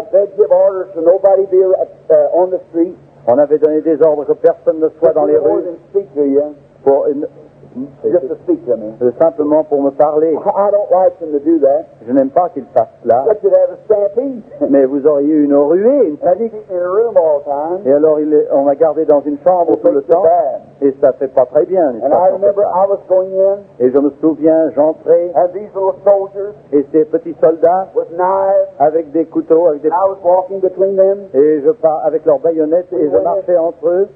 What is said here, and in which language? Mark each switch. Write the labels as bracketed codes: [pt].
[en] I did give orders to nobody be on the street. [fr] On avait donné des ordres que personne ne soit dans les rues. [en] To speak to you. Just to speak to me. [fr] Simplement pour me parler. [en] I don't like them to do that. [fr] Je n'aime pas qu'ils fassent cela. [en] But you'd have a stampede. [fr] Mais vous auriez une ruée, une panique. [en] And in a room all time. [fr] Et alors on m'a gardé dans une chambre tout le temps. Et ça ne fait pas très bien. [en] And I remember I was going in. [fr] Et je me souviens, j'entrais. [en] And these little soldiers. [fr] Et ces petits soldats. [en] With knives. [fr] Avec des couteaux. Avec des. [en] And I was walking between them. [fr] Et je pars avec leurs baïonnettes et je marchais entre eux.